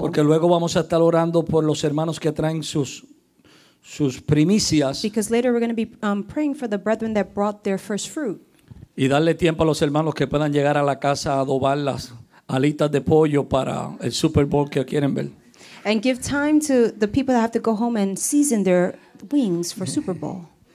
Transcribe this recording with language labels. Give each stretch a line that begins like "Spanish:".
Spanish: porque luego vamos a estar orando por los hermanos que traen sus primicias.
English: Because later we're going to be praying for the brethren that brought their first fruit.
Spanish: Y darle tiempo a los hermanos que puedan llegar a la casa a adobarlas. Alitas de pollo para el Super Bowl que quieren ver.
English: And give time to the people that have to go home and season their wings for Super Bowl.